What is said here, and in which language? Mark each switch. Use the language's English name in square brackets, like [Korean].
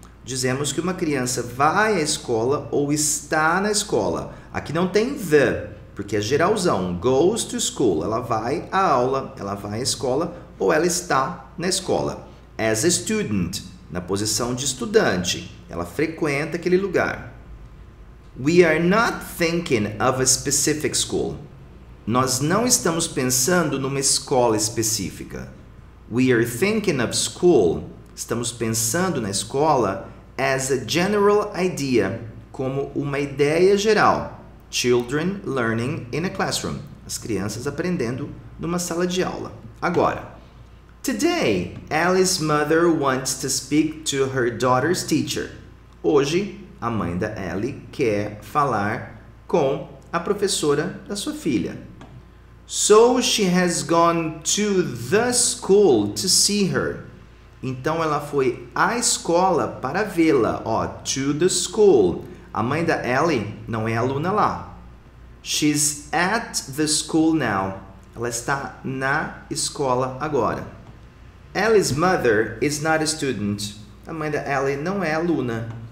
[Portuguese] Dizemos que uma criança vai à escola ou está na escola. Aqui não tem the, porque é geralzão. Goes to school, ela vai à aula, ela vai à escola ou ela está na escola. [English] As a student, [Portuguese] na posição de estudante, ela frequenta aquele lugar. [English] We are not thinking of a specific school. [Portuguese] Nós não estamos pensando numa escola específica. [English] We are thinking of school. [Portuguese] Estamos pensando na escola [English] as a general idea, [Portuguese] como uma ideia geral. [English] Children learning in a classroom. [Portuguese] As crianças aprendendo numa sala de aula. Agora. [English] Today, Ellie's mother wants to speak to her daughter's teacher. [Portuguese] Hoje, a mãe da Ellie quer falar com a professora da sua filha. [English] So she has gone to the school to see her. [Portuguese] Então ela foi à escola para vê-la. Ó, to the school. A mãe da Ellie não é aluna lá. [English] She's at the school now. [Portuguese] Ela está na escola agora. [English] Ellie's mother is not a student. [Portuguese] A mãe da Ellie não é aluna.